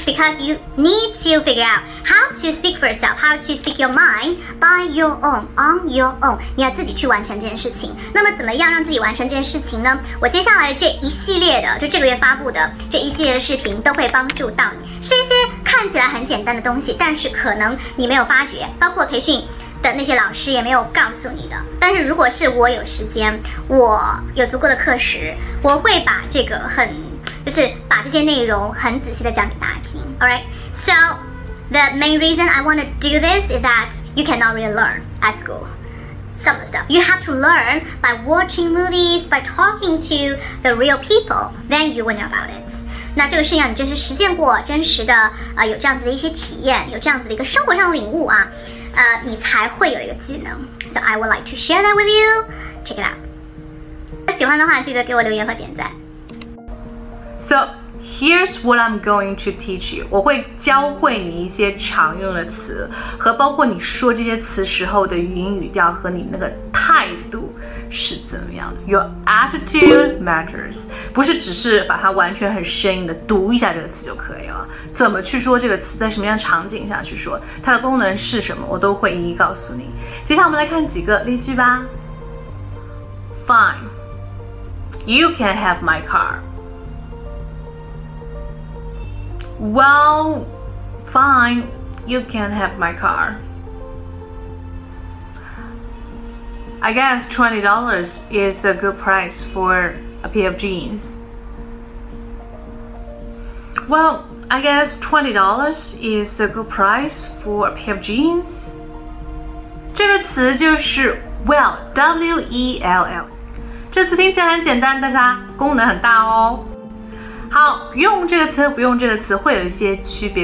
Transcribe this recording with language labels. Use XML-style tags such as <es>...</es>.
<en>Because you need to figure out how to speak for yourself, how to speak your mind by your own, on your own.</en> <zh>你要自己去完成这件事情。那么怎么样让自己完成这件事情呢？我接下来这一系列的，就这个月发布的这一系列的视频都会帮助到你。是一些看起来很简单的东西，但是可能你没有发觉，包括培训的那些老师也没有告诉你的。但是如果是我有时间，我有足够的课时，我会把这个很就是把这些内容很仔细的讲给大家听。</zh> <en>Alright, so the main reason I want to do this is that you cannot really learn at school some of the stuff. You have to learn by watching movies, by talking to the real people, then you will know about it.</en> <zh>那这个事情你真是实践过，真实的有这样子的一些体验，有这样子的一个生活上的领悟啊，你才会有一个技能。</zh> <en>So I would like to share that with you. Check it out.</en> <zh>喜欢的话记得给我留言和点赞。</zh> <en>So here's what I'm going to teach you.</en> <zh>我会教会你一些常用的词，和包括你说这些词时候的语音语调和你那个态度是怎么样的。</zh> <en>Your attitude matters.</en> <zh>不是只是把它完全很生硬的读一下这个词就可以了。怎么去说这个词，在什么样的场景下去说，它的功能是什么，我都会一一告诉你。接下来我们来看几个例句吧。</zh> <en>Fine. You can have my car. Well, fine, you can have my car. I guess $20 is a good price for a pair of jeans. Well, I guess $20 is a good price for a pair of jeans.</en> <zh>这个词就是 well, W-E-L-L. 这词听起来很简单，但是它功能很大哦。好，用这个词不用这个词会有一些区别。</zh>